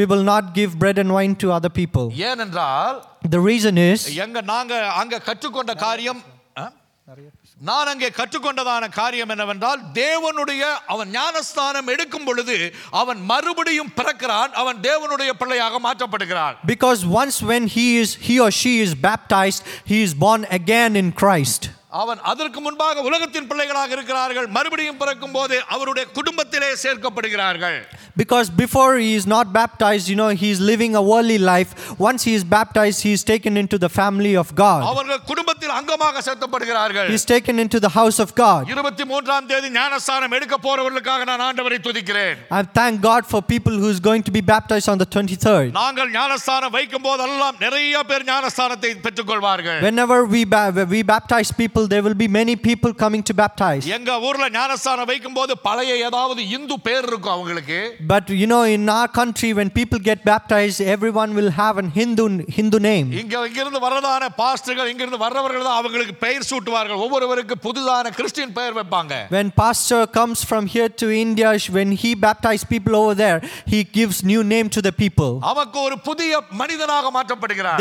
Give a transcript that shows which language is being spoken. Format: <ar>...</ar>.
<en>We will not give bread and wine to other people.</en> <ta>ஏனென்றால்</ta> <en>the reason is</en> <ta>எங்க நாங்க அங்க கற்றுக்கொண்ட காரியம், நான் அங்கே கற்றுக்கொண்டதான காரியம் என்னவென்றால், தேவனுடைய அவன் ஞானஸ்தானம் எடுக்கும் பொழுது அவன் மறுபடியும் பிறக்கிறான், அவன் தேவனுடைய பிள்ளையாக மாற்றப்படுகிறான்.</ta> <en>Because once when he or she is baptized, he is born again in Christ.</en> <ta>அவன் அதற்கு முன்பாக உலகத்தின் பிள்ளைகளாக இருக்கிறார்கள், மறுபடியும் பிறக்கும் போதே அவருடைய குடும்பத்திலே சேர்க்கப்படுகிறார்கள்.</ta> <en>Because before he is not baptized, you know, he is living a worldly life. Once he is baptized, he is taken into the family of God.</en> <ta>அவர்கள் குடும்பத்தில் அங்கமாக சேர்க்கப்படுகிறார்கள்.</ta> <en>He is taken into the house of God.</en> <ta>23rd தேதி ஞானஸ்தானம் எடுக்க போறவர்களுக்காக நான் ஆண்டவரை துதிக்கிறேன்.</ta> <en>I thank God for people who is going to be baptized on the 23rd.</en> <ta>நாங்கள் ஞானஸ்தானம் வைக்கும் போதெல்லாம் நிறைய பேர் ஞானஸ்தானத்தை பெற்றுக் கொள்வார்கள்.</ta> <en>Whenever we baptize people, there will be many people coming to baptize.</en> <ta>எங்க ஊர்ல ஞானஸ்தானம் வைக்கும் போது பழைய ஏதாவது இந்து பேர் இருக்கும் அவங்களுக்கு.</ta> <en>But you know, in our country, when people get baptized, everyone will have an Hindu name.</en> <ta>இங்கிருந்து வரதான பாஸ்டர்கள், இங்கிருந்து வரவர்கள் தான் அவங்களுக்கு பெயர் சூட்டுவார்கள். ஒவ்வொருவருக்கு புதிதான கிறிஸ்டியன் பெயர் வைப்பாங்க.</ta> <en>When pastor comes from here to India, when he baptizes people over there, he gives new name to the people.</en> <ta>அவங்க ஒரு புதிய மனிதனாக மாற்றப்படுகிறார்.</ta>